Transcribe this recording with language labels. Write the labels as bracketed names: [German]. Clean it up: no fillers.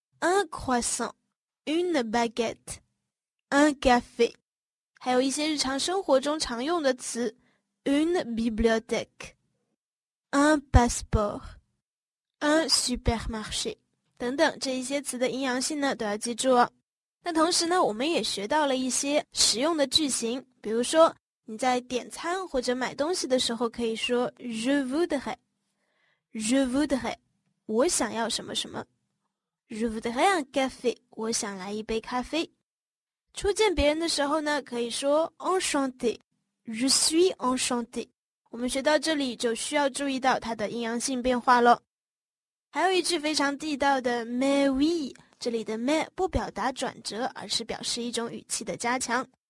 [Chinese] Un croissant, une baguette, un café, 还有一些日常生活中常用的词 une bibliothèque, un passeport, un supermarché, 等等，这一些词的阴阳性呢都要记住哦。那同时呢，我们也学到了一些实用的句型，比如说你在点餐或者买东西的时候可以说 [French] je voudrais, je voudrais, [Chinese] 我想要什么什么。 [French] Je voudrais un café, [Chinese] 我想来一杯咖啡。初见别人的时候呢，可以说 [French] Enchanté, je suis enchanté。 [Chinese] 我们学到这里就需要注意到它的阴阳性变化了。还有一句非常地道的 [French] Mais oui, [Chinese] 这里的 Mais 不表达转折，而是表示一种语气的加强。